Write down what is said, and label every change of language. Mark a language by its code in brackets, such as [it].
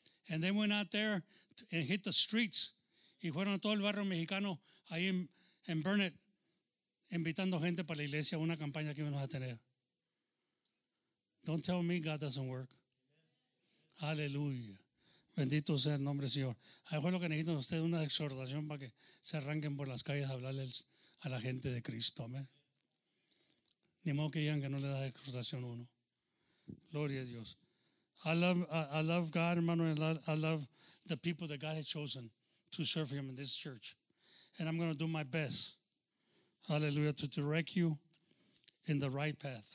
[en] And they went out there and hit the streets. [es] Y fueron a todo el barrio mexicano ahí en Burnett, invitando gente para la iglesia, una campaña que íbamos a tener. [en] Don't tell me God doesn't work. Aleluya. [es] Bendito sea el nombre del Señor. Ahí fue lo que necesitan ustedes, una exhortación para que se arranquen por las calles a hablarles a la gente de Cristo. Amén. Ni modo que digan que no le da exhortación uno. Gloria a Dios. [en] I love God, hermano. I love the people that God has chosen to serve him in this church. And I'm going to do my best, hallelujah, to direct you in the right path.